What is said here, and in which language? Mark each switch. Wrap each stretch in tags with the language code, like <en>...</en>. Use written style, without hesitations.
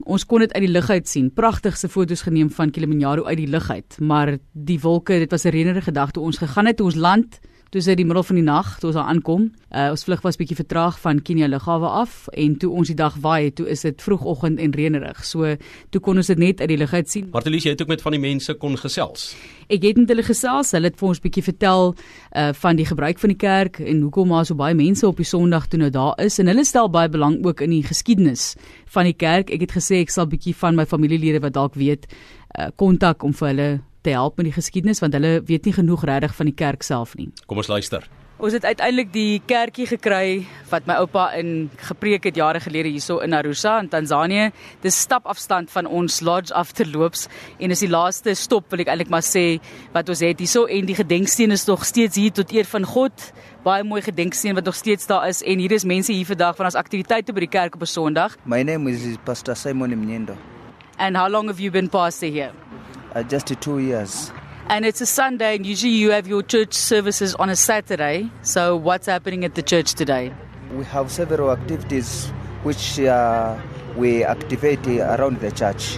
<af>Ons kon dit uit die lug uit sien, prachtigste foto's geneem van Kilimanjaro uit die lug uit. Maar die wolke, dit was 'n herinnerende gedagte, ons gegaan het toe ons land, toe sy die middel van die nacht, toe ons daar aankom, ons vlug was bietjie vertraag van Kenia lughawe af, en toe ons die dag waai, toe is dit vroegoggend en reënerig, so toe kon ons dit net uit die lug uit sien. Martelize, jy het ook met van die mense kon gesels? Ek het met hulle gesels, hulle het vir ons bietjie vertel van die gebruik van die kerk, en hoekom maar so baie mense op die Sondag toe nou daar is, en hulle stel baie belang ook in die geskiedenis van die kerk. Ek het gesê, ek sal bietjie van my familielede wat dalk weet, kontak om vir hulle te help met die geskiedenis, want hulle weet nie genoeg regtig van die kerk self nie. Kom ons luister. Ons het uiteindelik die kerkie gekry wat my oupa in gepreek het jare gelede hierso in Arusha in Tanzanie. Dis stapafstand van ons lodge af te loops, en is die laaste stop, wil ek eintlik maar sê, wat ons het hierso, en die gedenksteen is nog steeds hier tot eer van God. Baie mooi gedenksteen wat nog steeds daar is, en hier is mense hier vandag van ons aktiwiteite by die kerk op 'n Sondag.</af> <en>My name is Pastor Simon Mnyendo. And how long have you been pastor here? Just 2 years. And it's a Sunday, and usually you have your church services on a Saturday. So what's happening at the church today? We have several activities which we activate around the church.</en>